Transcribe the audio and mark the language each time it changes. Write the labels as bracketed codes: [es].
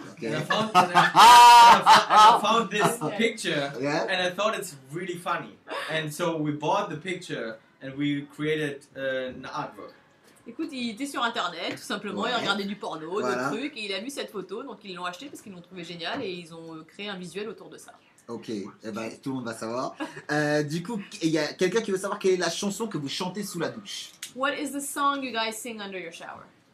[en] Okay. And I found this picture, yeah? And I thought it's really funny. And so we bought the picture and we created an artwork. [fr] Écoute, il était sur internet, tout simplement, il regardait du porno, d'autres trucs, et il a vu cette photo, donc ils l'ont acheté parce qu'ils l'ont trouvé génial et ils ont créé un visuel autour de ça. Ok, eh ben, tout le monde va savoir. Du coup, il y a quelqu'un qui veut savoir quelle est la chanson que vous chantez sous la douche. [en] What is the song you guys sing under your shower?